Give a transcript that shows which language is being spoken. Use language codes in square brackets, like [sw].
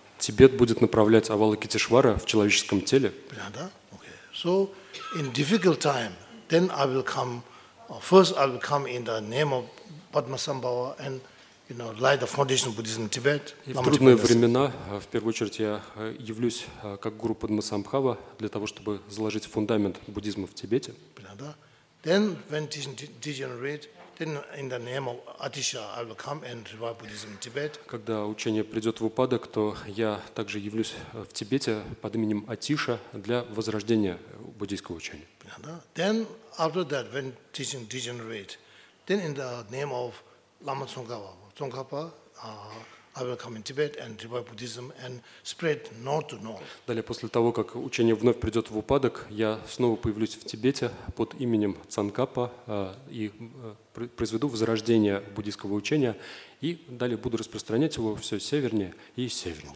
[ru] Тибет будет направлять Авалокитешвара в человеческом теле. Понятно? Okay. [en] So, in difficult time, then I will come, first I will come in the name of Padmasambhava and, you know, lay the foundation of Buddhism in Tibet. [ru] В трудные времена, в первую очередь, я явлюсь как гуру Падмасамбхава для того, чтобы заложить фундамент буддизма в Тибете. Понятно? [en] Then, when it is degenerate, then in the name of Atisha, I will come and revive Buddhism in Tibet. [ru] Когда учение придет в упадок, то я также явлюсь в Тибете под именем Атиша для возрождения буддийского учения. Понятно? [en] Then after that, when teaching degenerate, then in the name of Lama Tsongkhapa, I will come in Tibet and revive Buddhism and spread north to north. [ru] Далее, после того, как учение вновь придет в упадок, я снова появлюсь в Тибете под именем Цанкапа и произведу возрождение буддийского учения, и далее буду распространять его все севернее и севернее.